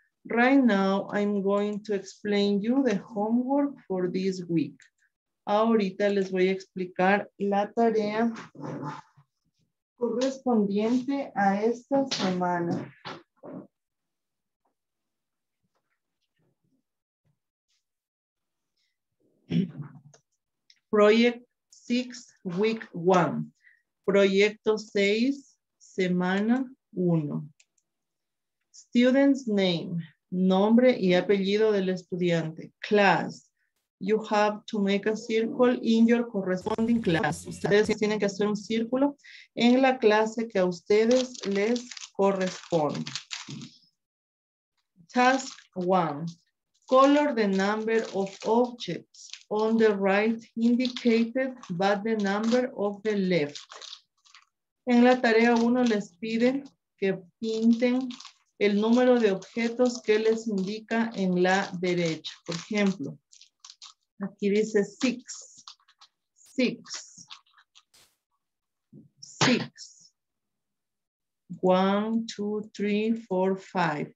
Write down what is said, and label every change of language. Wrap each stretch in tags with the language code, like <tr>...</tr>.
<en>Right now, I'm going to explain you the homework for this week.</en> <es>Ahorita les voy a explicar la tarea correspondiente a esta semana.</es> <en>Project 6, week 1.</en> <es>Proyecto 6, semana 1.</es> <en>Student's name,</en> <es>nombre y apellido del estudiante.</es> <en>Class, you have to make a circle in your corresponding class.</en> <es>Ustedes tienen que hacer un círculo en la clase que a ustedes les corresponde.</es> <en>Task 1. Color the number of objects on the right indicated but the number of the left.</en> <es>En la tarea 1 les piden que pinten el número de objetos que les indica en la derecha. Por ejemplo, aquí dice</es> <en>six, six, six, one, two, three, four, five.</en>